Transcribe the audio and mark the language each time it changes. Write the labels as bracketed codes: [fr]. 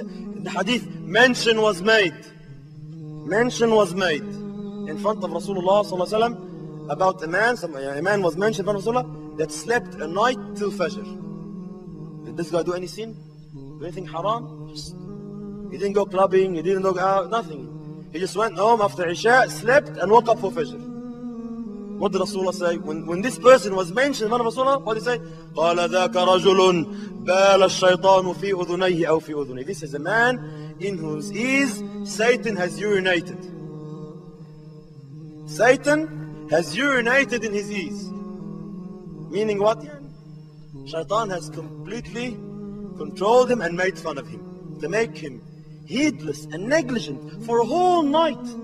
[en] In the hadith, mention was made. Mention was made in front of Rasulullah sallallahu alayhi wa sallam about a man was mentioned by Rasulullah that slept a night till Fajr. Did this guy do any sin? Do anything haram? He didn't go clubbing, he didn't go out, nothing. He just went home after Isha, slept, and woke up for Fajr. What did Rasulullah say? When this person was mentioned, man of Rasulullah, what did he say? [ar] قَالَ ذَاكَ رَجُلٌ بَالَ الشَّيْطَانُ فِي أُذُنَيْهِ أَوْ فِي أُذُنَيْهِ. [en] This is a man in whose ears Satan has urinated. Satan has urinated in his ears. Meaning what? Shaitan has completely controlled him and made fun of him to make him heedless and negligent for a whole night.